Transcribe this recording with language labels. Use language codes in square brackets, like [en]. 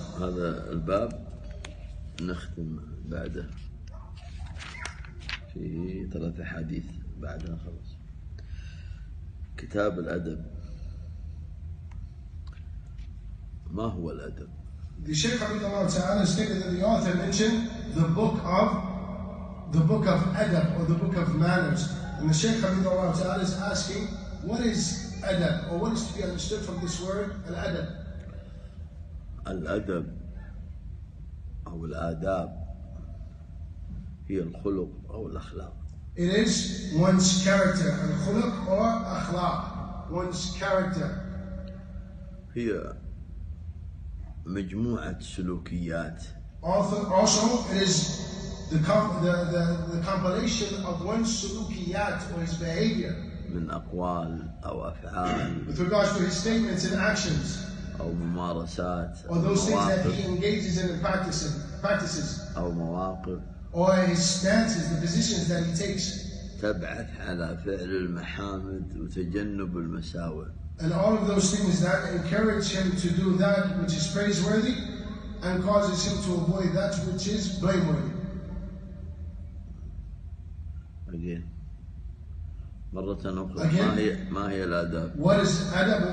[ar] هذا الباب نختم بعده فيه ثلاثة حديث بعدها خلص كتاب الأدب ما هو الأدب؟ [en] The Shaykh Abdullah Ta'ala stated that the author mentioned the book of adab or the book of manners, and the Shaykh Abdullah Ta'ala is asking what is adab or what is to be understood from this word al-adab. [ar] الأدب أو الآداب هي الخلق أو الأخلاق. [en] It is one's character, الخلق or أخلاق, one's character. [ar] هي مجموعة سلوكيات. [en] Also, it is the compilation of one's سلوكيات or his behavior. [ar] من أقوال أو أفعال. [en] With regards to his statements and actions. [ar] أو ممارسات. [en] Or those things that he engages in and practices. [ar] أو مواقف. [en] Or his stances, the positions that he takes. [ar] تبعث على فعل المحامد وتجنب المساوئ. [en] And all of those things that encourage him to do that which is praiseworthy and causes him to avoid that which is blameworthy. Again. [ar] مرة أخرى. Again. ما هي الأدب؟ [en] What is adab?